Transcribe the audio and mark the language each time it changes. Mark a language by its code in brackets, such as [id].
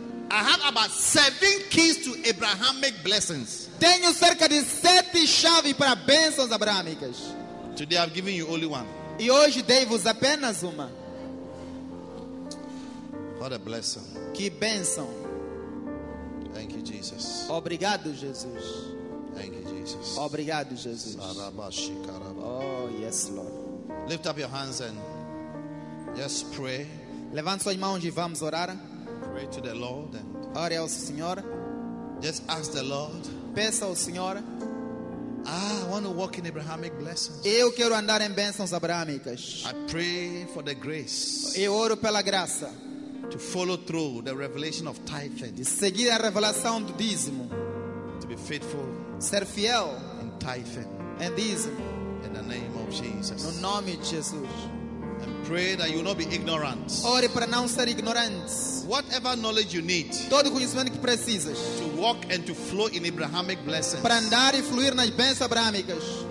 [en] I have about 7 keys to Abrahamic blessings. [pt] Tenho cerca de 7 chaves para bênçãos abraâmicas. [en] Today I've given you only one. [pt] E hoje dei-vos apenas uma. [en] What a blessing. [pt] Que bênção. [en] Thank you, Jesus. [pt] Obrigado, Jesus. [en] Thank you, Jesus. [pt] Obrigado, Jesus. Sarabashi, [en] oh, yes, Lord. Lift up your hands and just pray. [pt] Levante suas mãos e vamos orar. [en] Pray to the Lord and [pt] ore ao Senhor. [en] Just ask the Lord. [pt] Peça ao Senhor. [en] I want to walk in Abrahamic blessings. [pt] Eu quero andar em bênçãos abraâmicas. [en] I pray for the grace. [pt] Eu oro pela graça. [en] To follow through the revelation of tithe. [pt] De seguir a revelação do dízimo. [en] To be faithful. [pt] Ser fiel. [en] In tithe. [pt] Em dízimo. [en] In the name of Jesus. [pt] No nome de Jesus. [en] Pray that you will not be ignorant. [pt] Ore para não ser ignorante. [en] Whatever knowledge you need. [pt] Todo conhecimento que precisas. [en] To walk and to flow in Abrahamic blessings. [pt] Para andar e fluir nas bênçãos abraâmicas.